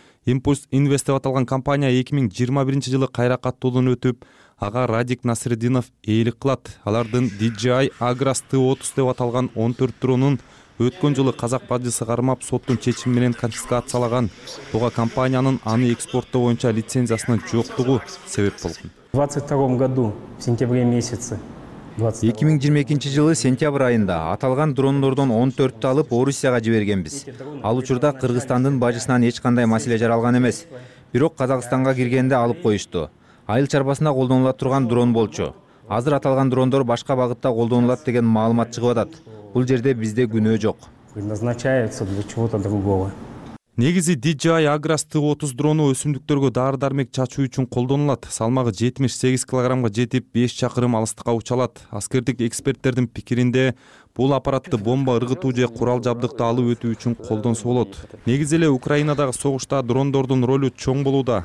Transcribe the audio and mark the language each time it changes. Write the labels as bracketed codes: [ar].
[ky] Impulse Invest деп аталган компания 2021 жылы кайра каттоодон өтүп, ага Радик Насырдинов ээлик кылат. Алардын DJI Agras T30 деп аталган 14 дронун өткөн жылы казак бажысы кармап соттун чечими менен конфискациялаган. Буга компаниянын аны экспорттоо боюнча лицензиясынын жоктугу себеп болгон. [ru] В 22-м году, в сентябре месяце. [ky] 2022 жылы сентябрь айында аталган дрондордон 14-тү алып Орусияга жибергенбиз. Ал учурда Кыргызстандын бажысынан эч кандай маселе жаралган эмес. Бирок Казакстанга киргенде алып коюшту. Айыл чарбасында колдонула турган дрон болчу. Азыр аталган дрондор башка багытта колдонулат деген маалымат чыгып атат. Бул жерде бизде күнөө жок. [ru] Предназначается для чего-то другого. [ky] Негизи DJI Agras T30 дрону өсүмдүктөргө дары-дармек чачуу үчүн колдонулат. Салмагы 78 кг жетип, 5 чакырым алыстыкка уча алат. Аскердик эксперттердин пикиринде, бул аппаратты бомба ыргытуу же курал жабдыкты алып өтүү үчүн колдонсо болот. Негизи эле Украинадагы согушта дрондордун ролу чоң болууда.